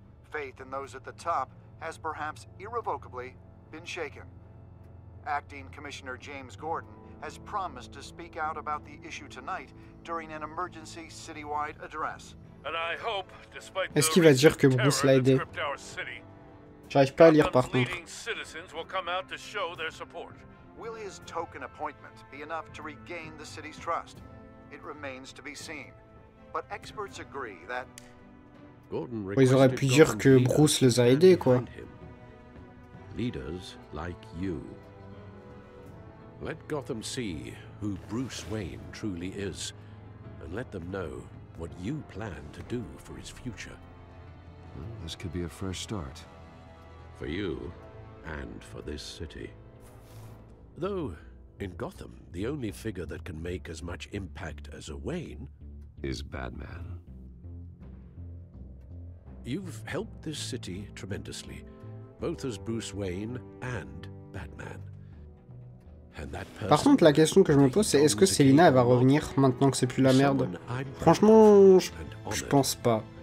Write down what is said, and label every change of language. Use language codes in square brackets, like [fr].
[en] Faith in those at the top has perhaps irrevocably been shaken. Acting Commissioner James Gordon has promised to speak out about the issue tonight during an emergency citywide address. And I hope, despite [fr] Est-ce qu'il va dire que Bruce l'a aidé? J'arrive pas à lire par contre. [en] Leading citizens will come out to show their support. Will his token appointment be enough to regain the city's trust? It remains to be seen. But experts agree that Gordon requested [fr] Ils auraient pu Gordon dire que Bruce les a aidés, quoi. [en] Leaders like you. Let Gotham see who Bruce Wayne truly is, and let them know what you plan to do for his future. Well, this could be a fresh start. For you, and for this city. Though, in Gotham, the only figure that can make as much impact as a Wayne is Batman. You've helped this city tremendously, both as Bruce Wayne and Batman. And that person... [fr] Par contre, la question que je me pose, c'est est-ce que Selina va revenir maintenant que c'est plus la merde? Franchement, je pense pas.